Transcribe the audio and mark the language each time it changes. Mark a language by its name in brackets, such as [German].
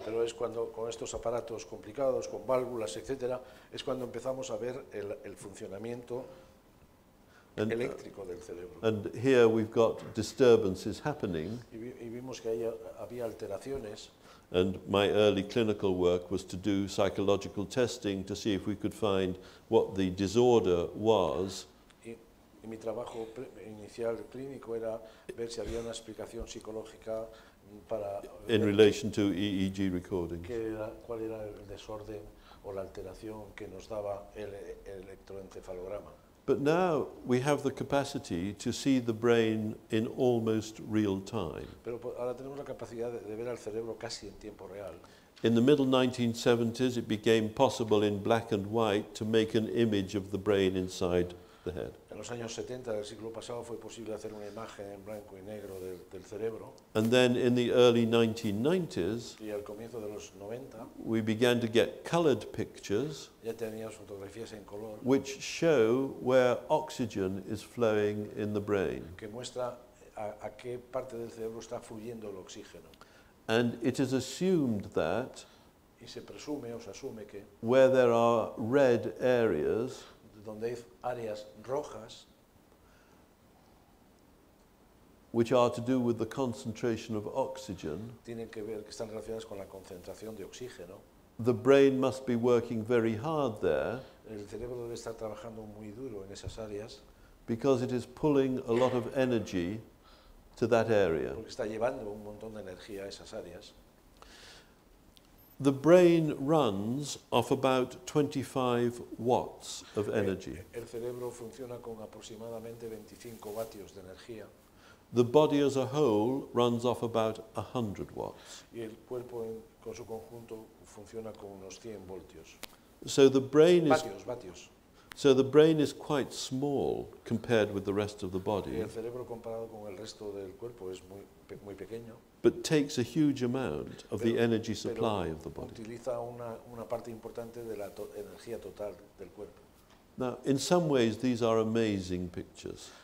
[Spanish] Pero es cuando, con estos aparatos complicados, con válvulas, etcétera, es cuando empezamos a ver el funcionamiento and, eléctrico del cerebro. [English] And here we've got disturbances happening. [Spanish] Y vimos que había alteraciones. [English] And my early clinical work was to do psychological testing to see if we could find what the disorder was. [Spanish] Y mi trabajo inicial clínico era ver si había una explicación psicológica para [English] in relation to EEG recordings. [Spanish] ¿Cuál era el desorden o la alteración que nos daba el electroencefalograma? [English] But now we have the capacity to see the brain in almost real time. [Spanish] Pero ahora tenemos la capacidad de ver al cerebro casi en tiempo real. [English] In the middle 1970s, it became possible in black and white to make an image of the brain inside the head. [Spanish] En los años 70 del siglo pasado fue posible hacer una imagen en blanco y negro del cerebro. [English] And then in the early 1990s, [Spanish] y al comienzo de los 90, [English] we began to get colored pictures, [Spanish] ya teníamos fotografías en color, [English] which show where oxygen is flowing in the brain. [Spanish] Que muestra a qué parte del cerebro está fluyendo el oxígeno. [English] And it is assumed that, [Spanish] y se presume o se asume que, [English] where there are red areas, [Spanish] donde hay áreas rojas, [English] which are to do with the concentration of oxygen, [Spanish] tienen que ver que están relacionadas con la concentración de oxígeno. [English] The brain must be working very hard there. [Spanish] El cerebro debe estar trabajando muy duro en esas áreas. [English] Because it is pulling a lot of energy to that area. [Spanish] Porque está llevando un montón de energía a esas áreas. [English] The brain runs off about 25 watts of energy. [Spanish] El cerebro funciona con aproximadamente 25 vatios de energía. [English] The body as a whole runs off about 100 watts. [Spanish] Y el cuerpo con su conjunto funciona con unos 100 voltios. [English] So the brain [Spanish] vatios, [English] is [Spanish] vatios. [English] So the brain is quite small compared with the rest of the body. [Spanish] El cerebro comparado con el resto del cuerpo es muy, muy pequeño. [English] But takes a huge amount of the energy supply of the body. [Spanish] Utiliza una parte importante de la energía total del cuerpo. [English] Now, in some ways, these are amazing pictures.